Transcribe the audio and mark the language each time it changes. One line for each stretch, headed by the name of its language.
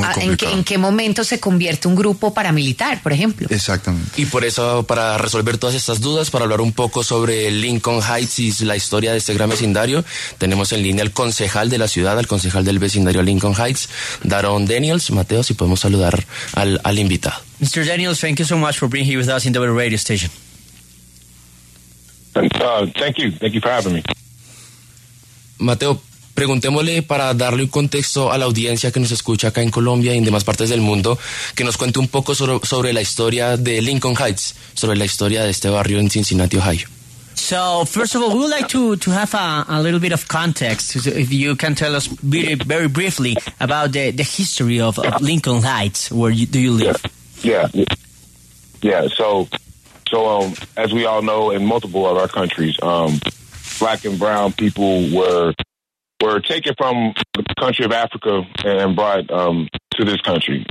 Spanish: ¿En qué momento se convierte un grupo paramilitar, por ejemplo? Exactamente. Y por eso, para resolver todas estas dudas, para hablar un poco sobre Lincoln Heights y la historia de este gran vecindario, tenemos en línea al concejal de la ciudad, al concejal del vecindario Lincoln Heights, Daron Daniels. Mateo, si podemos saludar al invitado.
English: Mr. Daniels, thank you so much for being here with us in the radio station. Thank you for having me.
Spanish: Mateo, preguntémosle, para darle un contexto a la audiencia que nos escucha acá en Colombia y en demás partes del mundo, que nos cuente un poco sobre la historia de Lincoln Heights, sobre la historia de este barrio en Cincinnati, Ohio.
English: So, first of all, we would like to have a little bit of context, if you can tell us very, very briefly about the history of Lincoln Heights, where do you live? Yeah. So, as we all know, in multiple of our countries, black and brown people were taken from the country of Africa and brought to this country.